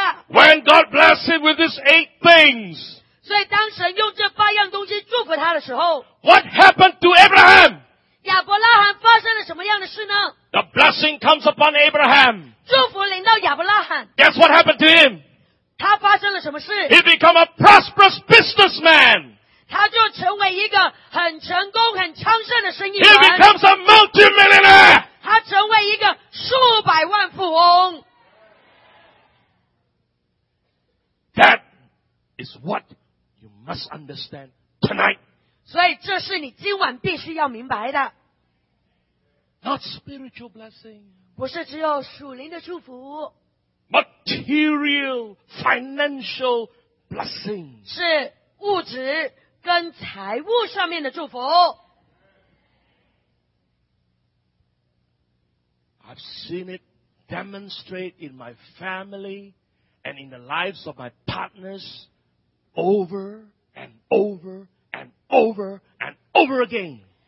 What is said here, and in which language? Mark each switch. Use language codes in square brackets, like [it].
[en] when God blessed him with these eight things, [zh] 所以当神用这八样东西祝福他的时候, [en] what happened to Abraham? [zh] 亚伯拉罕发生了什么样的事呢? [en] The blessing comes upon Abraham. [zh] 祝福临到亚伯拉罕。 [en] Guess what happened to him? [zh] 他发生了什么事? [en] He became a prosperous businessman. [zh] 他就成为一个很成功、很昌盛的生意人。 [en] He becomes a multimillionaire. [zh] 他成为一个数百万富翁。 [en] That is what you must understand tonight. [zh] 所以这是你今晚必须要明白的。 [en] Not spiritual blessing. [zh] 不是只有属灵的祝福。 [en] Material, financial blessing. [zh] 是物质跟财务上面的祝福。 [en] I've seen it demonstrate in my family and in the lives of my partners over and over and over and over again.